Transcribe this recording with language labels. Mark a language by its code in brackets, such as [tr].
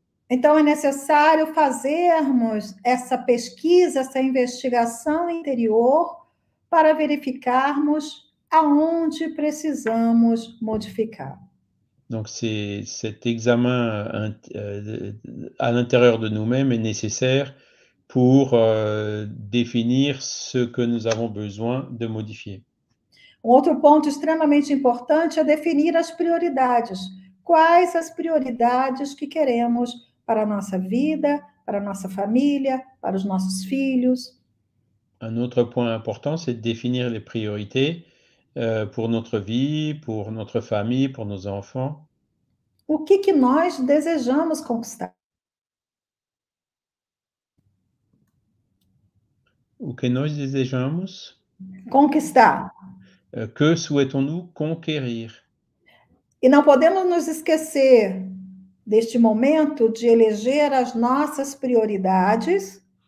[pt] Então, é necessário fazermos essa pesquisa, essa investigação interior, para verificarmos aonde precisamos modificar. [fr] Donc, cet examen à l'intérieur de nous-mêmes est nécessaire pour définir ce que nous avons besoin de modifier. [pt] Um outro ponto extremamente importante é definir as prioridades. Quais as prioridades que queremos para a nossa vida, para a nossa família, para os nossos filhos. [fr] Un autre point important, c'est de définir les priorités pour notre vie, pour notre famille, pour nos enfants. [pt] O que nós desejamos conquistar? O que nós desejamos? Conquistar. [fr] Que souhaitons-nous conquérir? [pt] E não podemos nos esquecer deste momento de eleger as nossas prioridades.